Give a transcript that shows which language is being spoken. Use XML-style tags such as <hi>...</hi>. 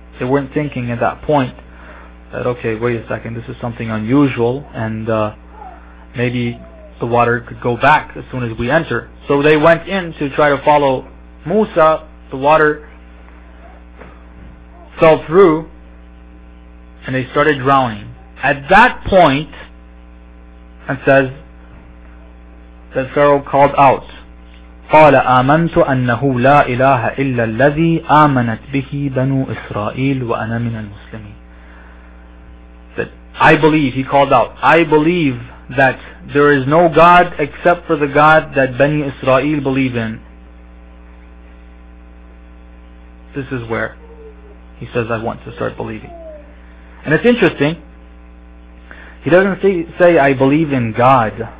<en>They weren't thinking at that point that, okay, wait a second, this is something unusual, and maybe the water could go back as soon as we enter. So they went in to try to follow Musa. The water fell through, and they started drowning. At that point, it says that Pharaoh called out,</en> <ar>قَالَ آمَنْتُ أَنَّهُ لَا إِلَهَ إِلَّا الَّذِي آمَنَتْ بِهِ بَنُو إِسْرَائِيلُ وَأَنَا مِنَ الْمُسْلِمِينَ.</ar> <en>That I believe, he called out, I believe that there is no God except for the God that Bani Israel believe in. This is where he says, I want to start believing. And it's interesting, he doesn't say, I believe in God.</en>